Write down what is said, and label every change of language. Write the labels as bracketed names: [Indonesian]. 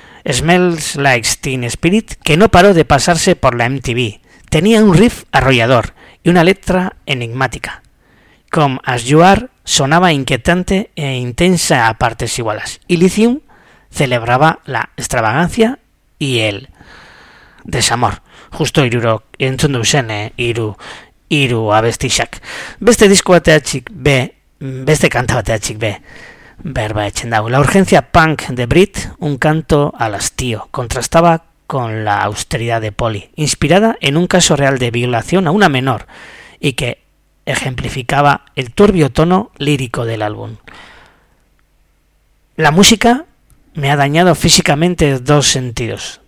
[Spanish] Smells Like Teen Spirit, que no paró de pasarse por la MTV, tenía un riff arrollador y una letra enigmática. Come As You Are sonaba inquietante e intensa a partes iguales. Y Lithium celebraba la extravagancia y el desamor. [Basque] Justo irurok entzun duzen, iru abestixak. Beste disko bateatxik be, beste kanta bateatxik be, berba etxen dago. [Spanish] La urgencia punk de Brit, un canto al hastío, contrastaba con la austeridad de Polly, inspirada en un caso real de violación a una menor y que ejemplificaba el turbio tono lírico del álbum. La música me ha dañado físicamente dos sentidos.